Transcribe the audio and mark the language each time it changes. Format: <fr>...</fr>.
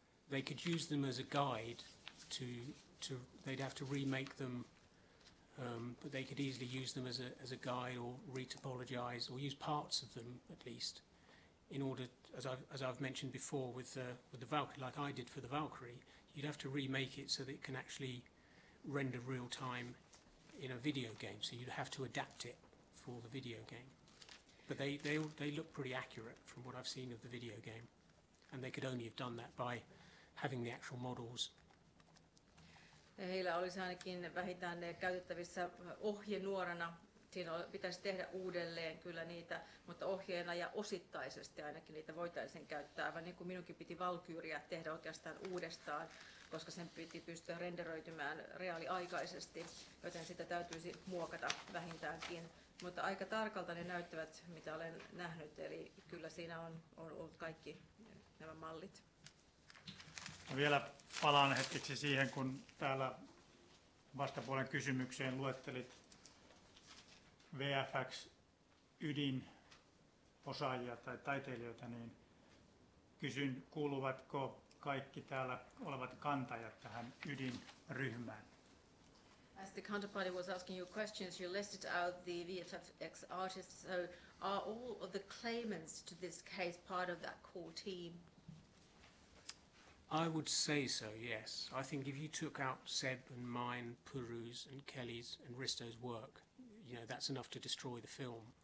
<en>They could use them as a guide to they'd have to remake them, but they could easily use them as a guide or retopologize or use parts of them at least, in order, as I've mentioned before with the Valkyrie, like I did for the Valkyrie, you'd have to remake it so that it can actually render real time in a video game, so you'd have to adapt it for the video game. But they look pretty accurate from what I've seen of the video game, and they could only have done that by having the actual models.</en> <fi>Heillä olisi ainakin vähintään käytettävissä ohjenuorana siinä pitäisi tehdä uudelleen kyllä niitä, mutta ohjeena ja osittaisesti ainakin niitä voitaisiin käyttää, vaan niin kuin minunkin piti Valkyria tehdä oikeastaan uudestaan, koska sen piti pystyä renderöitymään reaaliaikaisesti, joten sitä täytyisi muokata vähintäänkin. Mutta aika tarkalta ne näyttävät, mitä olen nähnyt, eli kyllä siinä on ollut kaikki nämä mallit. Vielä palaan hetkeksi siihen, kun täällä vastapuolen kysymykseen luettelit VFX-ydinosaajia tai taiteilijoita, niin kysyn, kuuluvatko kaikki täällä olevat kantajat tähän ydinryhmään?</fi> <en>As the counterparty was asking you questions, you listed out the VFX artists, so are all of the claimants to this case part of that core team? I would say so, yes. I think if you took out Seb and mine, Puru's and Kelly's and Risto's work, you know, that's enough to destroy the film.</en>